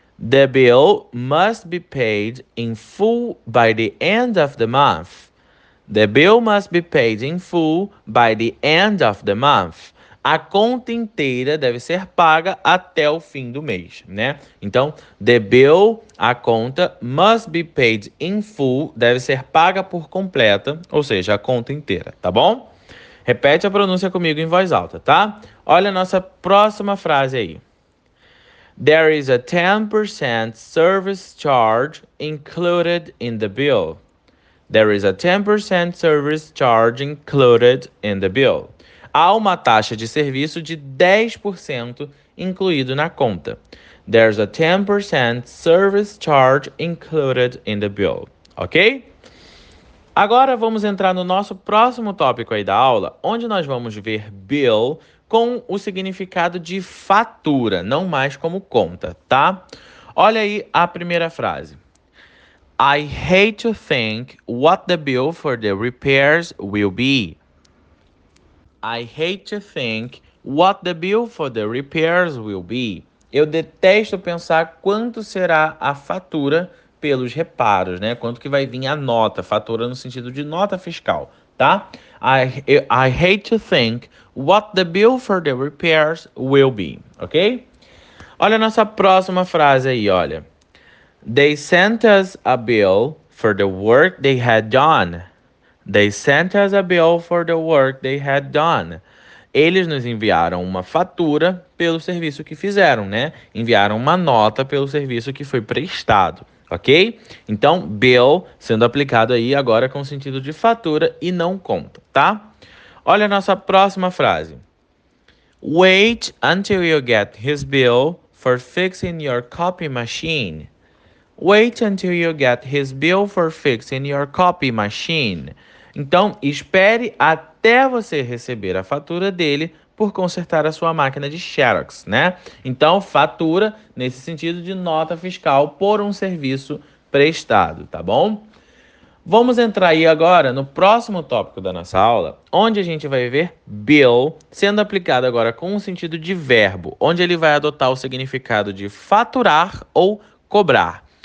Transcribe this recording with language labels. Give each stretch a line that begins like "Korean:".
English: The bill must be paid in full by the end of the month. The bill must be paid in full by the end of the month.
Portuguese: A conta inteira deve ser paga até o fim do mês, né? Então,
English: the bill,
Portuguese: a conta,
English: must be paid in full,
Portuguese: deve ser paga por completa, ou seja, a conta inteira, tá bom? Repete a pronúncia comigo em voz alta, tá? Olha a nossa próxima frase aí.
English: There is a 10% service charge included in the bill. There is a 10% service charge included in the bill.
Portuguese: Há uma taxa de serviço de 10% incluído na conta.
English: There's a 10% service charge included in the bill. Ok?
Portuguese: Agora vamos entrar no nosso próximo tópico aí da aula, onde nós vamos ver bill com o significado de fatura, não mais como conta, tá? Olha aí a primeira frase.
English: I hate to think what the bill for the repairs will be. I hate to think what the bill for the repairs will be.
Portuguese: Eu detesto pensar quanto será a fatura pelos reparos, né? Quanto que vai vir a nota, fatura no sentido de nota fiscal, tá?
English: I hate to think what the bill for the repairs will be, ok?
Portuguese: Olha a nossa próxima frase aí, olha.
English: They sent us a bill for the work they had done. They sent us a bill for the work they had done.
Portuguese: Eles nos enviaram uma fatura pelo serviço que fizeram, né? Enviaram uma nota pelo serviço que foi prestado, ok? Então, bill sendo aplicado aí agora com sentido de fatura e não conta, tá? Olha a nossa próxima frase.
English: Wait until you get his bill for fixing your copy machine. Wait until you get his bill for fixing your copy machine.
Portuguese: Então, espere até você receber a fatura dele por consertar a sua máquina de Xerox, né? Então, fatura nesse sentido de nota fiscal por um serviço prestado, tá bom? Vamos entrar aí agora no próximo tópico da nossa aula, onde a gente vai ver bill sendo aplicado agora com o sentido de verbo, onde ele vai adotar o significado de faturar ou cobrar.